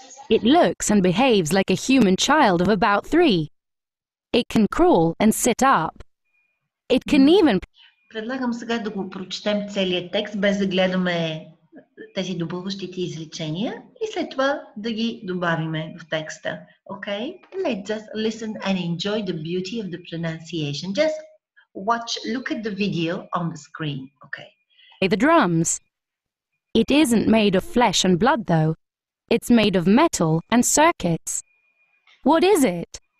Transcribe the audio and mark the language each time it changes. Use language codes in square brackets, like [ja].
[en] It looks and behaves like a human child of about 3. It can crawl and sit up. It can even... [bg] Предлагам сега да го прочетем целият текст, без да гледаме тези добълващите изречения и след това да ги добавиме в текста. [en] Okay? Let's just listen and enjoy the beauty of the pronunciation. Just watch, look at the video on the screen. Okay. The drums. It isn't made of flesh and blood though. It's made of metal and circuits. What is it?